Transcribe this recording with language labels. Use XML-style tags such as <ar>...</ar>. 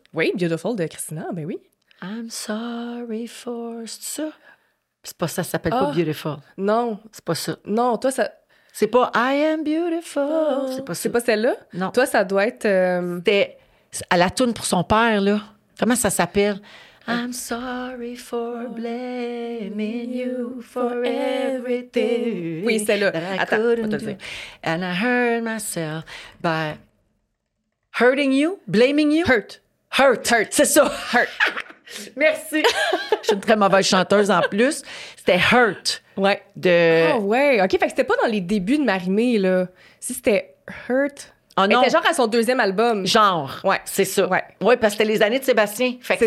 <fr>Oui, « Beautiful » de Christina, ben oui.</fr> <en>« I'm sorry for... »</en> <fr>C'est ça? C'est pas ça, ça s'appelle pas « Beautiful ». Non. C'est pas ça. Non, toi, ça... C'est pas «</fr> <en>I am beautiful</en> <fr>». C'est pas ça. C'est pas celle-là? Non. Toi, ça doit être... C'était... À la toune pour son père, là. Comment ça s'appelle?</fr> <en>I'm sorry for blaming you for everything.</en> <fr>Oui, c'est là. Attends,</fr> <en>and I hurt myself by hurting you, blaming you. Hurt. Hurt. Hurt.</en> <fr>C'est ça.</fr> <en>Hurt.</en> <fr>Merci. Je suis une très mauvaise chanteuse en plus. C'était Hurt. Ouais. De... Ah, ouais. OK. Fait que c'était pas dans les débuts de Marie-Mé, là. Si c'était Hurt. Oh non. Elle était genre à son deuxième album. Genre. Ouais. C'est ça. Ouais. Ouais, parce que c'était les années de Sébastien. Fait que</fr>